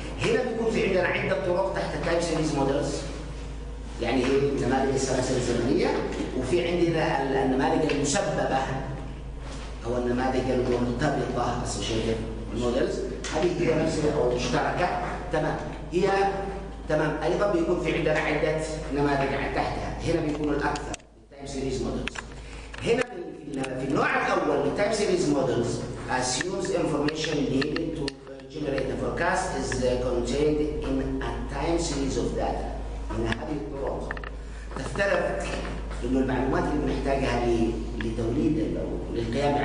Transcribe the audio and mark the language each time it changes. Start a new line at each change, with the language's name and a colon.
Arabic: هنا بيكون في عندنا عده طرق تحت التايم سيريز مودلز، يعني هي النماذج السلاسل الزمنيه، وفي عندنا النماذج المسببه او النماذج المرتبطه اسوشيتد مودلز، هذه هي نفسها او مشتركه. تمام. هي تمام. ايضا بيكون في عندنا عده نماذج تحتها، هنا بيكون الاكثر التايم سيريز مودلز. هنا في النوع الاول التايم سيريز مودلز
English: assumes information needed to generate the forecast is contained in a time series of data.
Arabic: ان هذه الطرق تفترض ان المعلومات اللي بنحتاجها لتوليد او للقياس